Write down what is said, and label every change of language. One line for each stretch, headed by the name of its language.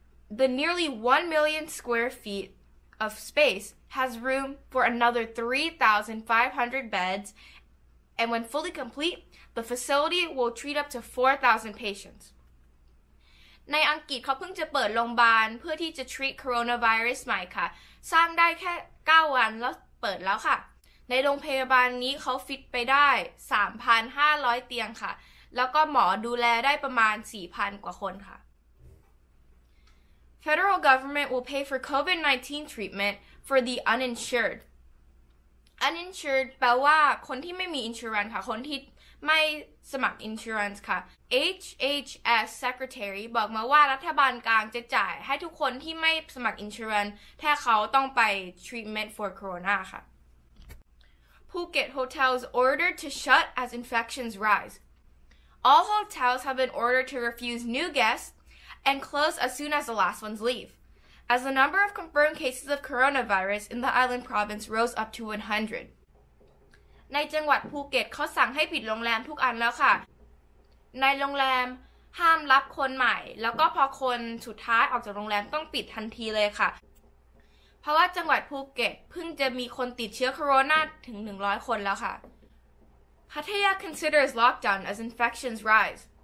English: The nearly 1 million square feet of space has room for another 3,500 beds, and when fully complete, the facility will treat up to 4,000 patients.
Thai: ในอังกฤษเขาเพิ่งจะเปิดโรงพยาบาลเพื่อที่จะ treat coronavirus ใหม่ค่ะสร้างได้แค่9วันแล้วเปิดแล้วค่ะในโรงพยาบาลนี้เขาฟิตไปได้ 3,500 เตียงค่ะแล้วก็หมอดูแลได้ประมาณ 4,000 กว่าคนค่ะ
English: Federal government will pay for COVID-19 treatment for the uninsured.
Thai: Uninsured แปลว่าคนที่ไม่มี insurance ค่ะคนที่ไม่สมัคร insurance ค่ะ HHS secretary บอกมาว่ารัฐบาลกลางจะจ่ายให้ทุกคนที่ไม่สมัคร insurance ถ้าเขาต้องไป
English: treatment for corona
Thai: ค่ะ
English: Phuket hotels ordered to shut as infections rise. All hotels have been ordered to refuse new guests. And close as soon as the last ones leave, as the number of confirmed cases of coronavirus in the island province rose up to 100.
Thai: ในจังหวัดภูเก็ตเขาสั่งให้ปิดโรงแรมทุกอันแล้วค่ะในโรงแรมห้ามรับคนใหม่แล้วก็พอคนสุดท้ายออกจากโรงแรมต้องปิดทันทีเลยค่ะเพราะว่าจังหวัดภูเก็ตเพิ่งจะมีคนติดเชื้อโคโรนาถึง100คนแล้วค่ะ
English: Pattaya considers lockdown as infections rise.